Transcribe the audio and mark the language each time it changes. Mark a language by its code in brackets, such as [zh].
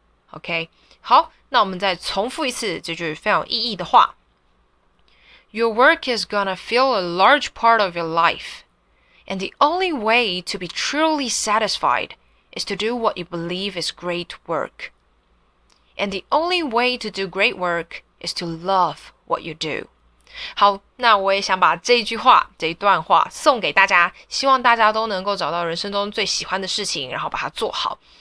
[zh] OK， 好，那我们再重复一次这句非常有意义的话。 [en] Your work is gonna fill a large part of your life. And the only way to be truly satisfied is to do what you believe is great work. And the only way to do great work is to love what you do. [zh] 好，那我也想把这句话，这一段话送给大家，希望大家都能够找到人生中最喜欢的事情，然后把它做好。